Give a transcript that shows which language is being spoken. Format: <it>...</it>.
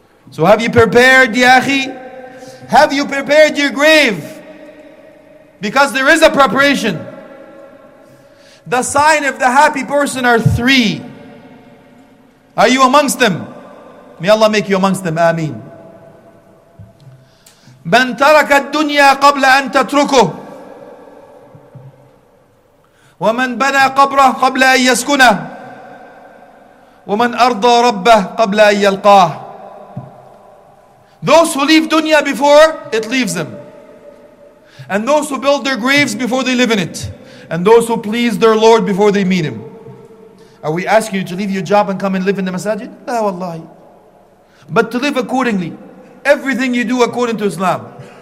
<en>So have you prepared,</en> <ar>يا أخي?</ar> <en>Have you prepared your grave? Because there is a preparation. The sign of the happy person are three. Are you amongst them? May Allah make you amongst them. Ameen.</en> <ar>مَنْ تَرَكَ الدُّنْيَا قَبْلَ أَنْ تَتْرُكُهُ وَمَنْ بَنَى قَبْرَهُ قَبْلَ أَنْ يَسْكُنَهُ وَمَنْ أَرْضَى رَبَّهُ قَبْلَ أَنْ يَلْقَاهُ</ar> <en>Those who leave dunya before, it leaves them. And those who build their graves before they live in it. And those who please their Lord before they meet Him. Are we asking you to leave your job and come and live in the masajid?</en> <ar>لا والله.</ar> <en>But to live accordingly. Everything you do according to Islam.</en>